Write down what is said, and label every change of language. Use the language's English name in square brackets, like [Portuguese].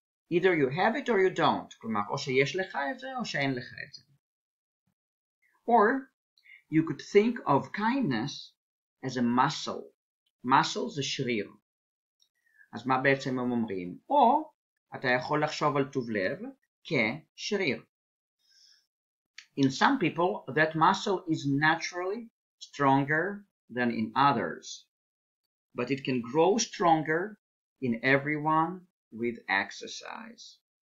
[Hebrew] Either you have it or you don't, כלומר או שיש לך את זה או שאין לך את זה. [English] Or you could think of kindness as a muscle. [Hebrew] Muscle זה שריר. אז מה בעצם הם אומרים? או אתה יכול לחשוב על טוב לב כשריר. [English] In some people, that muscle is naturally stronger than in others, but it can grow stronger in everyone with exercise.